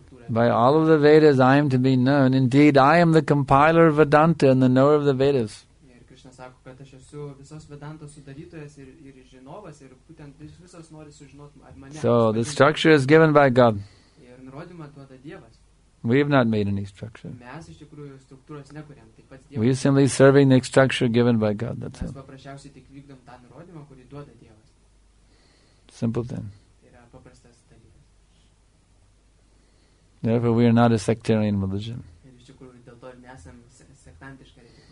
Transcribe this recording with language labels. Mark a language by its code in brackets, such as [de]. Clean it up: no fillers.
[en] By all of the Vedas I am to be known. Indeed, I am the compiler of Vedanta and the knower of the Vedas. [lt] Sako, kad aš esu visos Vedantos sudarytojas ir žinovas, ir būtent visos nori sužinoti ar mane. [en] So, the structure is given by God. [lt] Ir nurodymą duoda Dievas. [en] We have not made any structure. [lt] Mes iš tikrųjų struktūros nekuriam. [en] We are simply serving the structure given by God. That's all. [lt] Mes paprasčiausiai tik vykdom tą nurodymą, kurį duoda Dievas. [en] Simple then. [lt] Yra paprastas dalykas. [en] Therefore, we are not a sectarian religion. [lt] Ir iš tikrųjų dėl to nesam sektantiškai.